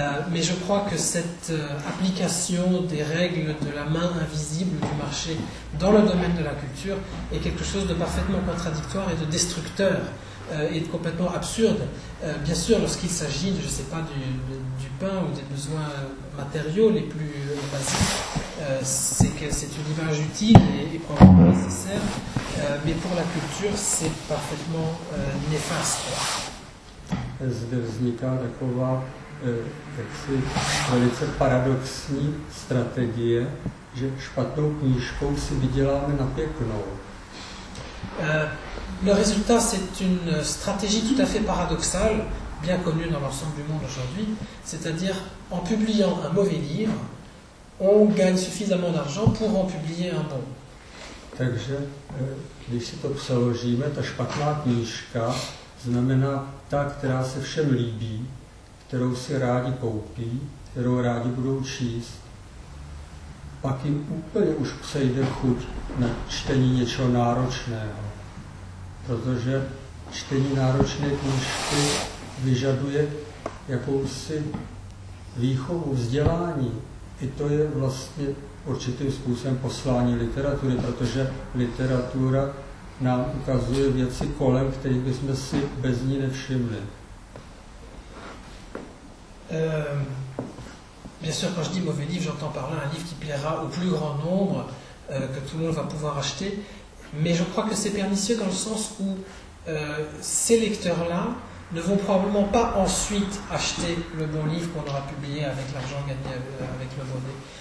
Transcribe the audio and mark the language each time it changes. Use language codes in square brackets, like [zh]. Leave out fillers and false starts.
[fr] Mais je crois que cette application des règles de la main invisible du marché dans le domaine de la culture est quelque chose de parfaitement contradictoire et de destructeur et de complètement absurde. Bien sûr, lorsqu'il s'agit, je ne sais pas, du pain ou des besoins matériaux les plus basiques, c'est une image utile et probablement nécessaire, mais pour la culture, c'est parfaitement néfaste. [cs] Zde vzniká taková jaksi velice paradoxní strategie, že špatnou knížkou si vyděláme na pěknou. [fr] Le résultat, c'est une stratégie tout à fait paradoxale, bien connue dans l'ensemble du monde aujourd'hui, c'est-à-dire, en publiant un mauvais livre, on gagne suffisamment d'argent pour en publier un bon. [cs] Takže, když si to přeložíme, ta špatná knížka znamená ta, která se všem líbí, kterou si rádi koupí, kterou rádi budou číst, pak jim úplně už přejde chuť na čtení něčeho náročného. Protože čtení náročné knížky vyžaduje jakousi výchovu, vzdělání. I to je vlastně určitým způsobem poslání literatury, protože literatura nám ukazuje věci kolem, kterých bychom si bez ní nevšimli. [fr] Bien sûr, quand je dis mauvais livre, j'entends par là un livre qui plaira au plus grand nombre, que tout le monde va pouvoir acheter. Mais je crois que c'est pernicieux dans le sens où ces lecteurs-là ne vont probablement pas ensuite acheter le bon livre qu'on aura publié avec l'argent gagné avec le monnaie.